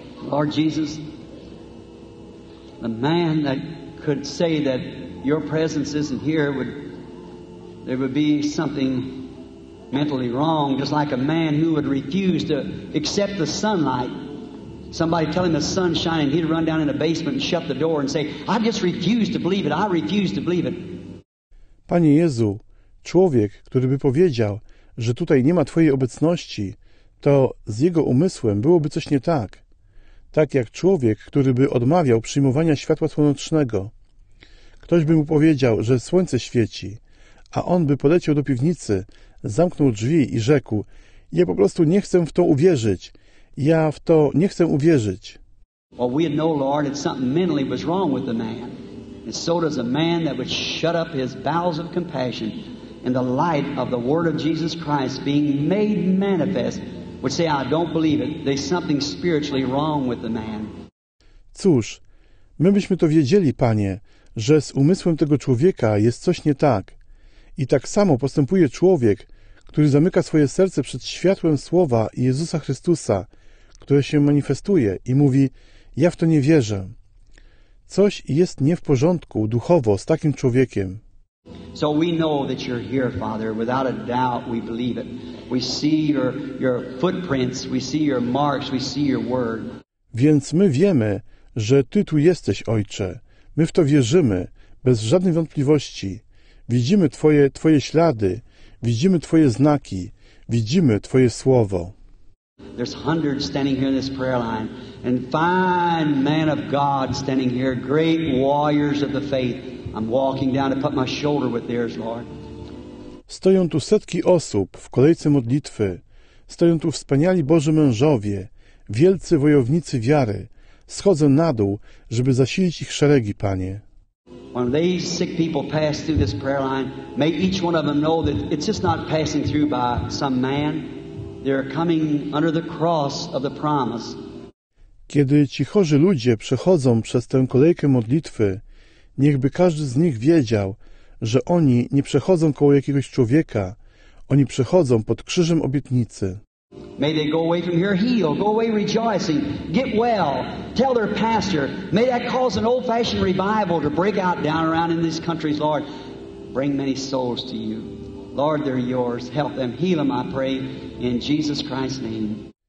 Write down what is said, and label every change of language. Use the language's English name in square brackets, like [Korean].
[English] Lord Jesus, the man that could say that your presence isn't here, there would be something mentally wrong, just like a man who would refuse to accept the sunlight. Somebody tell him the sun's shining, he'd run down in the basement and shut the door and say, I just refuse to believe it, I refuse to believe it. [Polish] Panie Jezu, człowiek, który by powiedział, że tutaj nie ma Twojej obecności, to z jego umysłem byłoby coś nie tak. Tak jak człowiek, który by odmawiał przyjmowania światła słonecznego. Ktoś by mu powiedział, że słońce świeci, a on by poleciał do piwnicy, zamknął drzwi i rzekł, ja po prostu nie chcę w to uwierzyć. Ja w to nie chcę uwierzyć. [English] Well, we know, Lord, that something mentally was wrong with the man. And so does a man that would shut up his bowels of compassion in the light of the word of Jesus Christ being made manifest. Would say, I don't believe it. There's something spiritually wrong with the man. [Polish] Cóż, my byśmy to wiedzieli, Panie, że z umysłem tego człowieka jest coś nie tak. I tak samo postępuje człowiek, który zamyka swoje serce przed światłem Słowa Jezusa Chrystusa, które się manifestuje i mówi, ja w to nie wierzę. Coś jest nie w porządku duchowo z takim człowiekiem. [English] So we know that you're here, Father. Without a doubt, we believe it. We see your footprints, we see your marks, we see your word. [Polish] Więc my wiemy, że Ty tu jesteś, Ojcze. My w to wierzymy, bez żadnej wątpliwości. Widzimy Twoje ślady, widzimy Twoje znaki, widzimy Twoje słowo. [English] There's hundreds standing here in this prayer line, and fine men of God standing here, great warriors of the faith. I'm walking down to put my shoulder with theirs, Lord. [Polish] Stoją tu setki osób w kolejce modlitwy. Stoją tu wspaniali Boży mężowie, wielcy wojownicy wiary. Schodzę na dół, żeby zasilić ich szeregi, Panie. [English] When these sick people pass through this prayer line, may each one of them know that it's just not passing through by some man. They're coming under the cross of the promise. [Polish] Kiedy ci chorzy ludzie przechodzą przez tę kolejkę modlitwy, niechby każdy z nich wiedział, że oni nie przechodzą koło jakiegoś człowieka, oni przechodzą pod krzyżem obietnicy. [English] May they go away from here healed, go away rejoicing, get well, tell their pastor. May that cause an old-fashioned revival to break out down around in these countries, Lord. Bring many souls to you. Lord, they're yours. Help them. Heal them, I pray, in Jesus Christ's name.